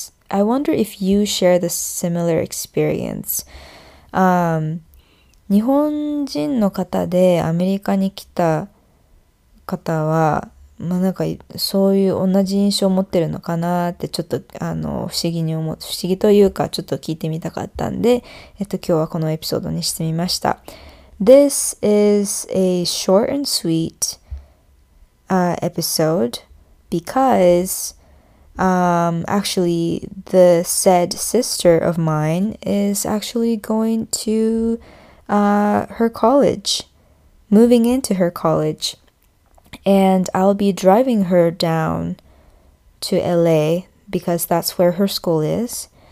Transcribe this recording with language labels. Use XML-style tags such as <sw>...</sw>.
<en>I wonder if you share the similar experience.</en> <ja>日本人の方でアメリカに来た方は、まあ、なんかそういう同じ印象を持ってるのかなって、ちょっと、あの、不思議というか、ちょっと聞いてみたかったんで、今日はこのエピソードにしてみました。</ja> <en>This is a short and sweet episode because actually the said sister of mine is actually going to her college, moving into her collegeAnd I'll be driving her down to LA because that's where her school is.</en>